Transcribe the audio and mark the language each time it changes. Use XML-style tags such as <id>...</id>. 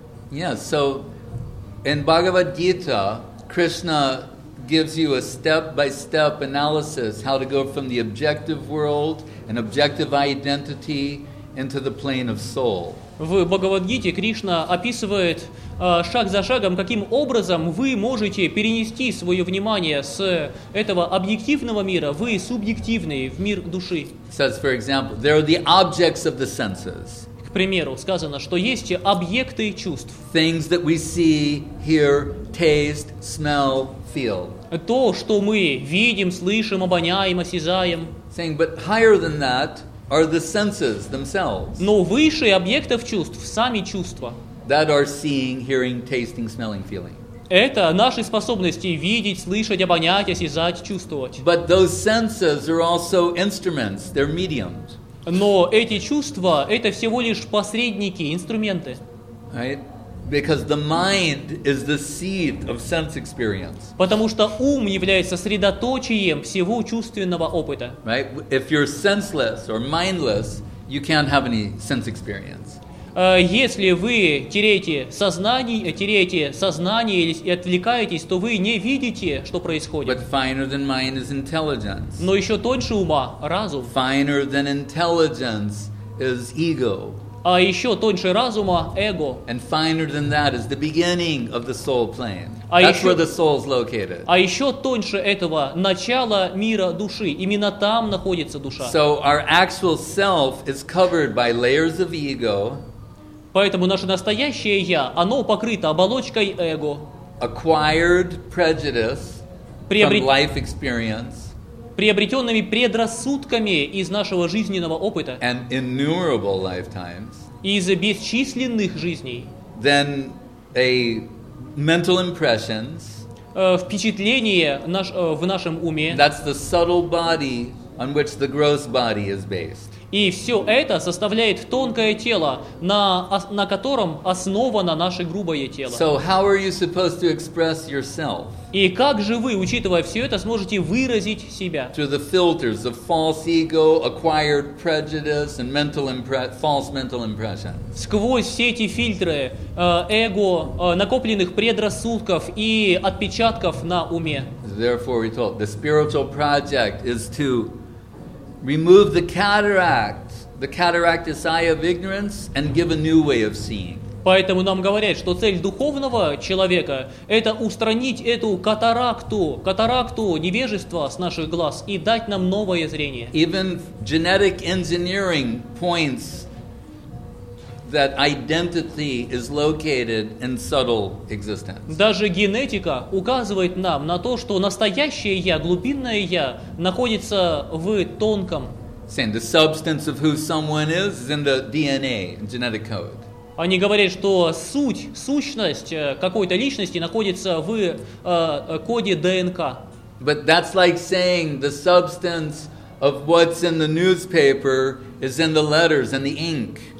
<en>Yeah, so in Bhagavad Gita, Krishna gives you a step-by-step analysis how to go from the objective world and objective identity into the plane of soul.</en> <ru>В Бхагавад-гите Кришна описывает шаг за шагом, каким образом вы можете перенести свое внимание с этого объективного мира в субъективный, в мир души.</ru> <en>Says, for example, there are the objects of the senses.</en> <ru>К примеру, сказано, что есть объекты чувств.</ru> <en>Things that we see, hear, taste, smell, feel.</en> <ru>То, что мы видим, слышим, обоняем, осязаем.</ru> <en>Saying, but higher than that are the senses themselves.</en> <ru>Но выше объектов чувств сами чувства.</ru> <en>That are seeing, hearing, tasting, smelling, feeling.</en> <ru>Это наши способности видеть, слышать, обонять, осязать, чувствовать.</ru> <en>But those senses are also instruments, they're mediums.</en> <ru>Но эти чувства — это всего лишь посредники, инструменты.</ru> <en>Right? Because the mind is the seat of sense experience.</en> <ru>Потому что ум является средоточием всего чувственного опыта.</ru> <en>Right? If you're senseless or mindless, you can't have any sense experience.</en> <ru>Если вы теряете сознание и отвлекаетесь, то вы не видите, что происходит.</ru> <en>But finer than mind is intelligence.</en> <ru>Но еще тоньше ума – разум.</ru> <en>Finer than intelligence is ego.</en> <ru>А еще тоньше разума – эго.</ru> <en>And finer than that is the beginning of the soul plane. That's where the soul is located.</en> <ru>А еще тоньше этого – начало мира души. Именно там находится душа.</ru> <en>So our actual self is covered by layers of ego.</en> <ru>Поэтому наше настоящее «я», оно покрыто оболочкой эго.</ru> <en>Acquired prejudice from life experience.</en> <ru>Приобретенными предрассудками из нашего жизненного опыта.</ru> <en>And innumerable lifetimes.</en> <ru>Из бесчисленных жизней.</ru> <en>Then a mental impressions.</en> <ru>Впечатление в нашем уме.</ru> <en>That's the subtle body on which the gross body is based.</en> <ru>И все это составляет тонкое тело, на котором основано наше грубое тело.</ru> <en>So how are you supposed to express yourself?</en> <ru>И как же вы, учитывая все это, сможете выразить себя?</ru> <en>Through the filters of false ego, acquired prejudice, and false mental impressions.</en> <ru>Сквозь все эти фильтры эго, накопленных предрассудков и отпечатков на уме.</ru> <en>Therefore, we told the spiritual project is to remove the cataract's eye of ignorance, and give a new way of seeing.</en> <ru>Поэтому нам говорят, что цель духовного человека – это устранить эту катаракту невежества с наших глаз и дать нам новое зрение.</ru> <en>Even genetic engineering points that identity is located in subtle existence.</en> <ru>Даже генетика указывает нам на то, что настоящее я, глубинное я, находится в тонком.</ru> <en>Saying the substance of who someone is in the DNA, genetic code.</en> <ru>Они говорят, что сущность какой-то личности находится в коде ДНК.</ru> <en>But that's like saying the substance of what's in the newspaper is in the letters and the ink.</en>